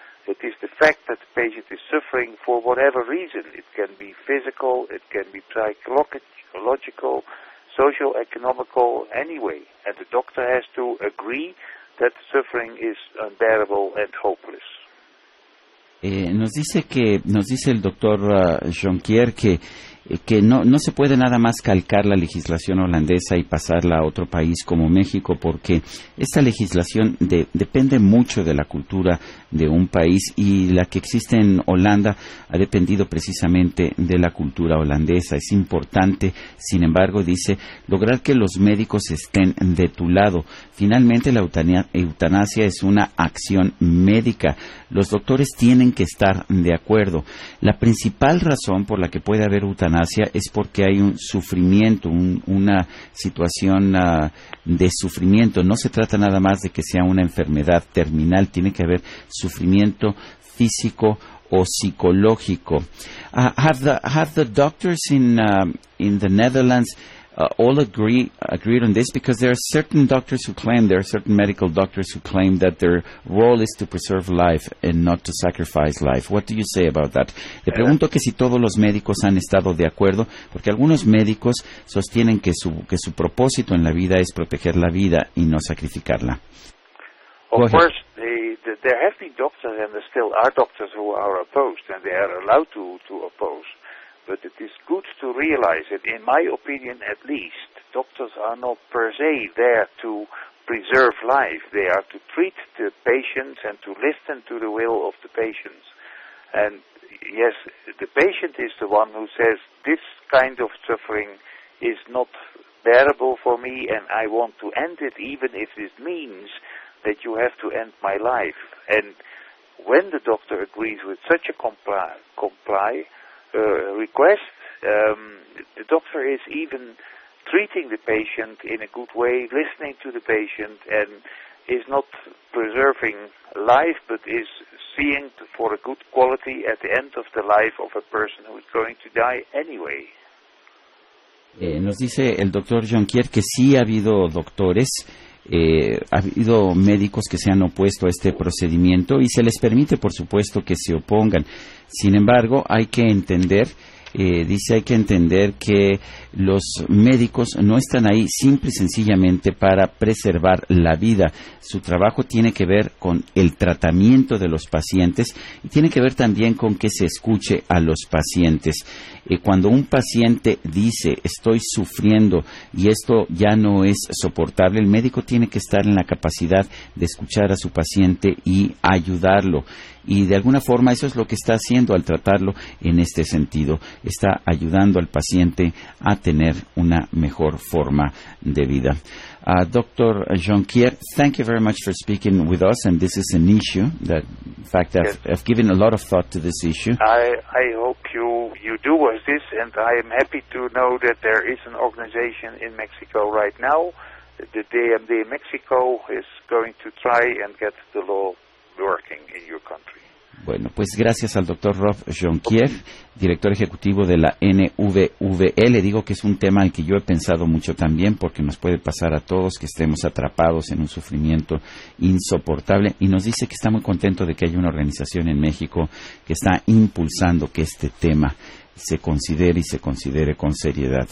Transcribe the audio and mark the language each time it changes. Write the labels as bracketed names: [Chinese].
[English] It is the fact that the patient is suffering for whatever reason. It can be physical, it can be psychological, social, economical, anyway. And the doctor has to agree that suffering is unbearable and hopeless. [Spanish] Nos dice el doctor Jonquier que que no se puede nada más calcar la legislación holandesa y pasarla a otro país como México, porque esta legislación depende mucho de la cultura de un país, y la que existe en Holanda ha dependido precisamente de la cultura holandesa. Es importante, sin embargo, dice, lograr que los médicos estén de tu lado. Finalmente, la eutanasia es una acción médica. Los doctores tienen que estar de acuerdo. La principal razón por la que puede haber eutanasia es porque hay un sufrimiento, una situación de sufrimiento. No se trata nada más de que sea una enfermedad terminal. Tiene que haber sufrimiento físico o psicológico. [English] Have the doctors in the Netherlands all agreed on this, because there are certain doctors who claim, there are certain medical doctors who claim that their role is to preserve life and not to sacrifice life. What do you say about that? [Spanish] Le pregunto que si todos los médicos han estado de acuerdo, porque algunos médicos sostienen que su propósito en la vida es proteger la vida y no sacrificarla. [English] Of course, there have been doctors, and there still are doctors who are opposed, and they are allowed to oppose. But it is good to realize that, in my opinion at least, doctors are not per se there to preserve life. They are to treat the patients and to listen to the will of the patients. And yes, the patient is the one who says, this kind of suffering is not bearable for me, and I want to end it, even if it means that you have to end my life. And when the doctor agrees with such a request, the doctor is even treating the patient in a good way, listening to the patient, and is not preserving life, but is seeing for a good quality at the end of the life of a person who is going to die anyway. [Spanish] Nos dice el doctor Jonquier que sí ha habido doctores, ha habido médicos que se han opuesto a este procedimiento, y se les permite, por supuesto, que se opongan. Sin embargo, hay que entender, hay que entender que los médicos no están ahí simple y sencillamente para preservar la vida. Su trabajo tiene que ver con el tratamiento de los pacientes y tiene que ver también con que se escuche a los pacientes. Cuando un paciente dice, estoy sufriendo y esto ya no es soportable, el médico tiene que estar en la capacidad de escuchar a su paciente y ayudarlo. Y de alguna forma eso es lo que está haciendo al tratarlo en este sentido. Está ayudando al paciente a tener una mejor forma de vida. [English] Dr. Jonquier, thank you very much for speaking with us, and this is an issue that, in fact, I've given a lot of thought to this issue. I hope you do with this, and I am happy to know that there is an organization in Mexico right now. The DMD Mexico is going to try and get the law working in your country. [Spanish] Bueno, pues gracias al doctor Rob Jonquier, director ejecutivo de la NVVL. Le digo que es un tema al que yo he pensado mucho también, porque nos puede pasar a todos que estemos atrapados en un sufrimiento insoportable. Y nos dice que está muy contento de que haya una organización en México que está impulsando que este tema se considere y se considere con seriedad.